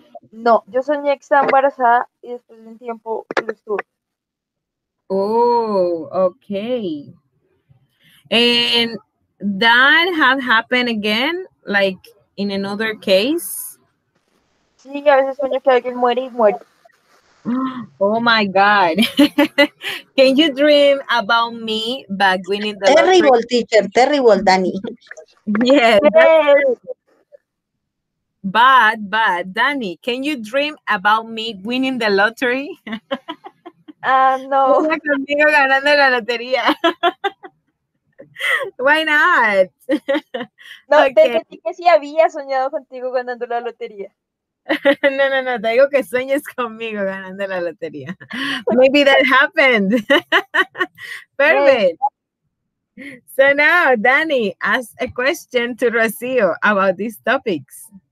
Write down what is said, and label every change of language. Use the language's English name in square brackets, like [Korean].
[Spanish] No, yo soñé que estaba embarazada y después de un tiempo lo estuve. [English] Oh, okay. And that had happened again, like in another case? [Spanish] Sí, a veces sueño que alguien muere y muere. [English] Oh my God. Can you dream about me back winning the lottery? Terrible, teacher. Terrible, Dani. Yes. But, Dani, can you dream about me winning the lottery? No. [Spanish] Conmigo ganando la lotería. [English] Why not? No, okay. [Spanish] Te dije que sí había soñado contigo ganando la lotería. No, no, no, te digo que sueñes conmigo ganando la lotería. [English] Maybe that happened. Perfect. So now, Dani, ask a question to Rocío about these topics.